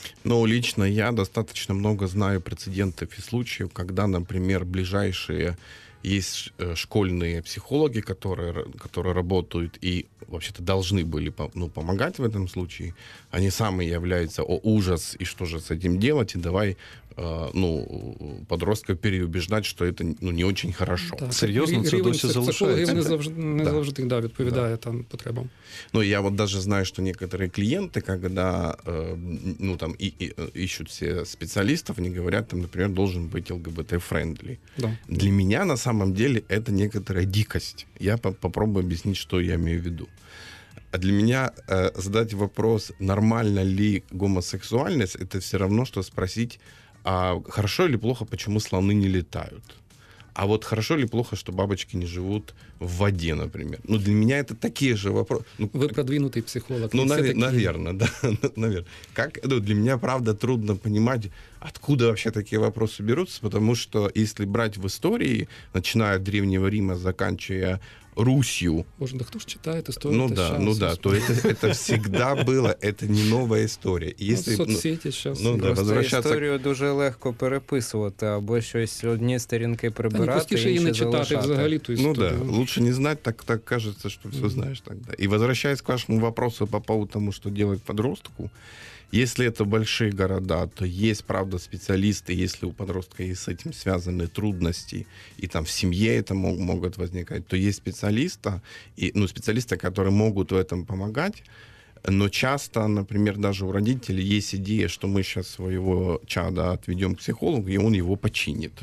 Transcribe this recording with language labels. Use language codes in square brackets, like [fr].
[uk] Ну, лично я достатньо багато знаю прецедентів і случаїв, коли, наприклад, ближайші є школьні психологи, які працюють і, взагалі-то, повинні були допомагати в цьому випадку. Вони самі являються, о, ужас, і що ж з цим робити, давай... ну, [ru] подростка переубеждать, [uk] що це, ну, не дуже хорошо. Так. Серйозно, це досі залишається? Рівень психологів не завжди, да, відповідає, да, там потребам. [ru] Ну, я от даже знаю, що некоторые клієнти, когда ну, там, ищут все специалистов, они говорят, там, например, должен быть ЛГБТ-френдли. Да. Для меня, на самом деле, это некоторая дикость. Я попробую объяснить, что я имею в виду. А для меня задать вопрос, нормально ли гомосексуальность, это все равно, что спросить, а хорошо или плохо, почему слоны не летают? А вот хорошо или плохо, что бабочки не живут в воде, например? Ну, для меня это такие же вопросы. Ну, вы продвинутый психолог. Ну, наверное, да, наверное. Как, ну, для меня, правда, трудно понимать, откуда вообще такие вопросы берутся, потому что если брать в истории, начиная от Древнего Рима, заканчивая Русью. Боже, да кто ж читает историю? Ну да, сейчас, ну да, то это всегда было, это не новая история. Если, ну, соцсети сейчас. Ну, да, возвращаться... [uk] Историю дуже легко переписывать, або щось одні сторінки прибирати, інші залишати. Не читати взагалі ту историю. [ru] Ну да, лучше не знать, так кажется, что все знаешь тогда. И возвращаясь к вашему вопросу по поводу того, что делать подростку, если это большие города, то есть, правда, специалисты, если у подростка есть с этим связаны трудности, и там в семье это могут возникать, то есть специалисты, и, ну, специалисты, которые могут в этом помогать, но часто, например, даже у родителей есть идея, что мы сейчас своего чада отведем к психологу, и он его починит.